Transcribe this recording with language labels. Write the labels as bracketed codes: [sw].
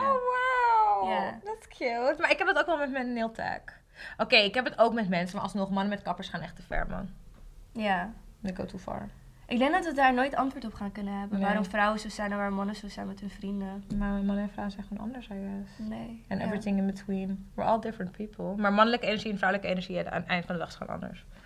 [nl] Oh, wow. Ja. Dat is cute. Maar ik heb het ook wel met mijn nail tech. Oké, ik heb het ook met mensen, maar alsnog, mannen met kappers gaan echt te ver, man. Ja. [en] They go too far. [nl] Ik denk dat we daar nooit antwoord op gaan kunnen hebben. Nee. Waarom vrouwen zo zijn en waar mannen zo zijn met hun vrienden. Maar mannen en vrouwen zijn gewoon anders, [en] I guess. [nl] Nee. [en] And everything in between. We're all different people. [nl] Maar mannelijke energie en vrouwelijke energie aan het eind van de dag is gewoon anders.